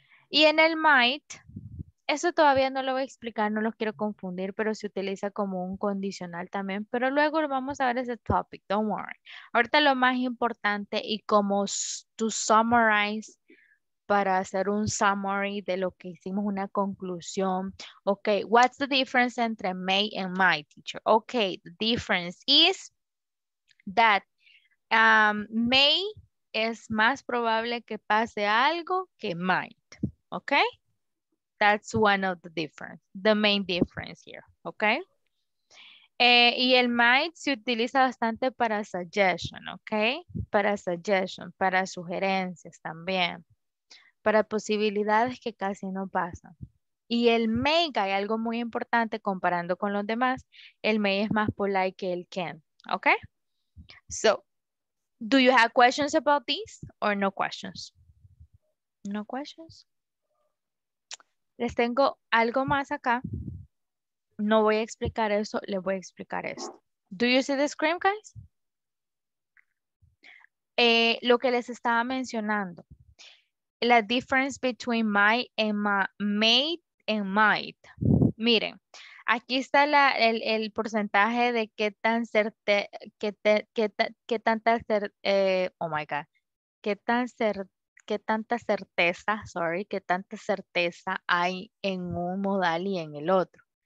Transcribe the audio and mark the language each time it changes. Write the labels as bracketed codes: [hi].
[es] Y en el might, eso todavía no lo voy a explicar, no los quiero confundir, pero se utiliza como un condicional también. Pero luego vamos a ver ese topic, [en] don't worry. [es] Ahorita lo más importante y como [en] to summarize, [es] para hacer un summary de lo que hicimos, una conclusión. [en] Ok, what's the difference [es] entre [en] may and might, teacher? Ok, the difference is that may [es] es más probable que pase algo que [en] might, ok. That's one of the difference, the main difference here, ¿ok? [es] Y el might se utiliza bastante para suggestion, ¿ok? Para suggestion, para sugerencias también, para posibilidades que casi no pasan. Y el may, hay algo muy importante comparando con los demás, el may es más polite que el can, ¿ok? [en] So, do you have questions about this or no questions? No questions. [es] Les tengo algo más acá. No voy a explicar eso, les voy a explicar esto. [en] Do you see the screen, guys? [es] Lo que les estaba mencionando. La [en] difference between might and made and might. [es] Miren, aquí está el porcentaje de qué tan qué tanta certeza hay en un modal y en el otro.